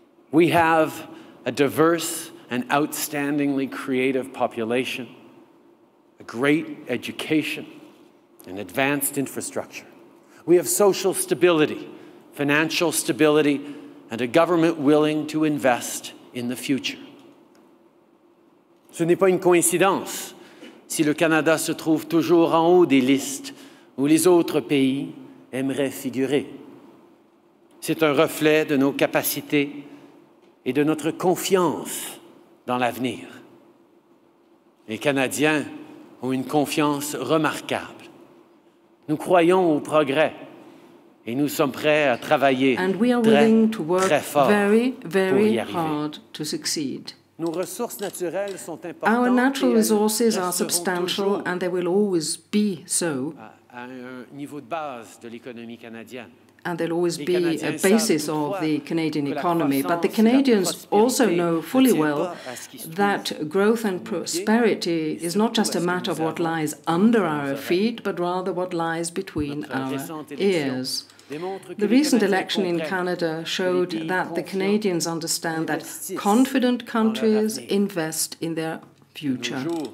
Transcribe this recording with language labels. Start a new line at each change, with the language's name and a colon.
English: We have a diverse and outstandingly creative population, a great education, and advanced infrastructure. We have social stability, financial stability, and a government willing to invest in the future.
French: Ce n'est pas une coïncidence si le Canada se trouve toujours en haut des listes où les autres pays aimeraient figurer. C'est un reflet de nos capacités et de notre confiance dans l'avenir. Les Canadiens ont une confiance remarquable. Nous croyons au progrès. Et nous sommes prêts à travailler
English: and we are willing to work very, very hard to succeed.
French: Nos ressources naturelles sont importantes
English: our natural resources are substantial and they will always be so.
French: À un niveau de base de l'économie canadienne.
English: And there will always be a basis of the Canadian economy. But the Canadians also know fully well that growth and prosperity is not just a matter of what lies under our feet, but rather what lies between our ears. The recent election in Canada showed that the Canadians understand that confident countries invest in their future.